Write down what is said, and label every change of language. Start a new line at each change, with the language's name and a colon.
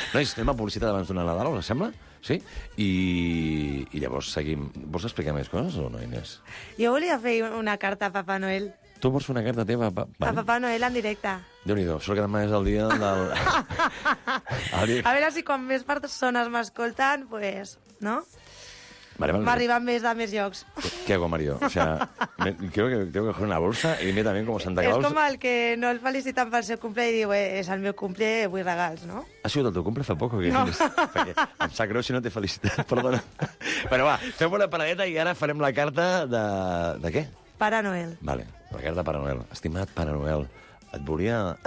Catalan: Nois, anem a publicitat abans d'una Nadala, us sembla? Sí? I llavors seguim. Vols explicar més coses o no, Inés? Jo volia fer una carta a Papa Noel. Tu vols fer una carta teva a Papà Noel en directe. Déu-n'hi-do, sort que demà és el dia del... A veure si quan més persones m'escolten, pues, no? M'arriben més de més llocs.
Spanish: Què hago, Mario? O sea, creo que tengo que coger una bolsa y me también como Santa Claus.
Catalan: És com el que no el feliciten pel seu cumple i diu, és el meu cumple, vull regals, no? Ha sigut el teu cumple fa poc o què? No. Em sap greu si no t'he felicitat, perdona. Però va, fem una paradeta i ara farem la carta de què? Pare Noel. Vale, la carta de Pare Noel. Estimat Pare Noel, et volia...